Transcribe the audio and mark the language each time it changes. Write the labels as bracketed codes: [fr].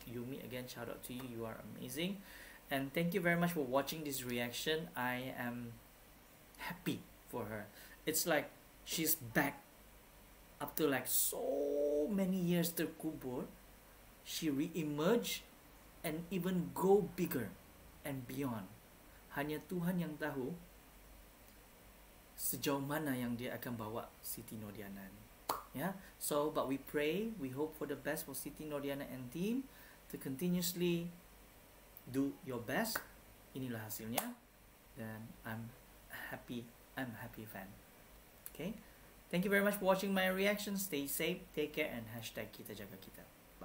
[en] Yumi, again, shout out to you. You are amazing. And thank you very much for watching this reaction. I am happy for her. It's like she's back after like so many years [ms] terkubur. [en] She re-emerged and even go bigger and beyond. [ms] Hanya Tuhan yang tahu sejauh mana yang dia akan bawa Siti Nordiana ni. [en] Yeah? So, but we pray, we hope for the best for Siti Nordiana and team to continuously do your best. [ms] Inilah hasilnya. [en] Then I'm happy fan. Okay? Thank you very much for watching my reaction. Stay safe, take care, and hashtag [ms] kita jaga kita.